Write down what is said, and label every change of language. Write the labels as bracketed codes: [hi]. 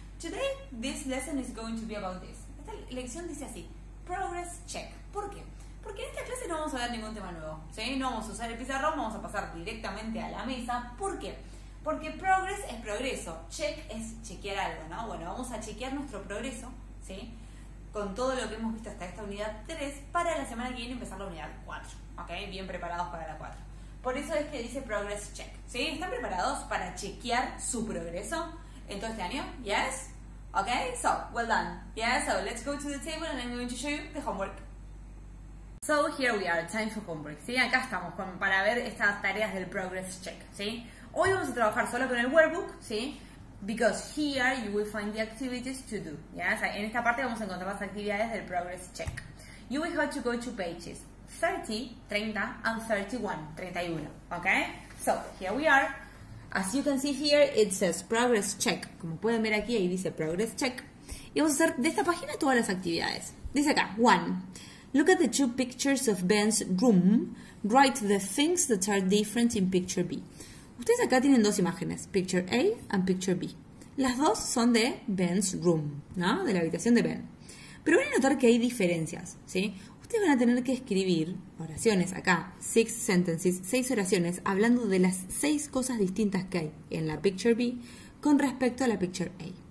[en] Today, this lesson is going to be about this. [es] Esta lección dice así, progress check. ¿Por qué? Porque en esta clase no vamos a ver ningún tema nuevo, ¿sí? No vamos a usar el pizarrón, vamos a pasar directamente a la mesa. ¿Por qué? Porque progress es progreso, check es chequear algo, ¿no? Bueno, vamos a chequear nuestro progreso, ¿sí? Con todo lo que hemos visto hasta esta unidad 3, para la semana que viene empezar la unidad 4, ¿ok? Bien preparados para la 4. Por eso es que dice progress check, ¿sí? ¿Están preparados para chequear su progreso en todo este año? [en] ¿Yes? ¿Ok? So, well done. Yes, yeah, so let's go to the table and I'm going to show you the homework. So, here we are, time for homework, ¿sí? [es] Acá estamos para ver estas tareas del progress check, ¿sí? Hoy vamos a trabajar solo con el workbook, ¿sí? [en] Because here you will find the activities to do, [es] ¿ya? O sea, en esta parte vamos a encontrar las actividades del progress check. [en] You will have to go to pages 30, 30 and 31, ¿ok? So, here we are. As you can see here, it says progress check. [es] Como pueden ver aquí, ahí dice progress check. Y vamos a hacer de esta página todas las actividades. Dice acá, 1. [en] Look at the two pictures of Ben's room. Write the things that are different in picture B. [es] Ustedes acá tienen dos imágenes, [en] picture A and picture B. [es] Las dos son de Ben's room, ¿no? De la habitación de Ben. Pero van a notar que hay diferencias, ¿sí? Ustedes van a tener que escribir oraciones acá, [en] six sentences, [es] seis oraciones, hablando de las seis cosas distintas que hay en la picture B con respecto a la picture A.